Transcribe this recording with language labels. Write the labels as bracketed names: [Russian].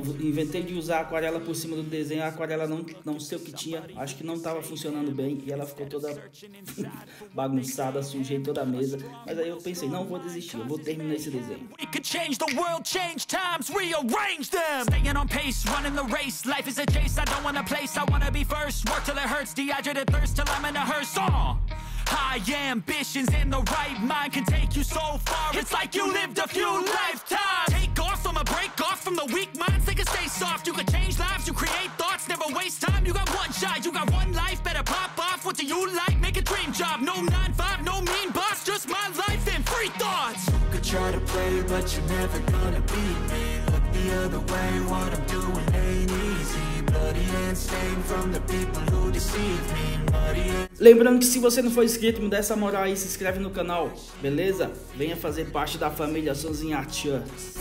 [Portuguese] Eu inventei de usar a aquarela por cima do desenho, a aquarela não sei o que tinha, acho que não estava funcionando bem e ela ficou toda bagunçada, sujei toda a mesa. Mas aí eu pensei, não vou desistir, eu vou terminar esse desenho. [English] We could change the world, change times, rearrange them. Staying on pace, running the race, life is a chase, I don't want a place, I want to be first, work till it hurts, dehydrated thirst till I'm in a hearse. High ambitions in the right mind can take you so far. It's like you lived a few lifetimes. Take off, I'ma break off from the weak minds. They can stay soft. You can change lives, you create thoughts, never waste time. You got one shot, you got one life, better pop off. What do you like? Make a dream job. No 9-5, no mean boss, just my life and free thoughts. You could try to play, but you're never gonna beat me. Look the other way, what I'm doing ain't easy. [Portuguese] Lembrando que se você não for inscrito, me dá essa moral aí, se inscreve no canal, beleza? Venha fazer parte da família Sonzinho Art Shirts.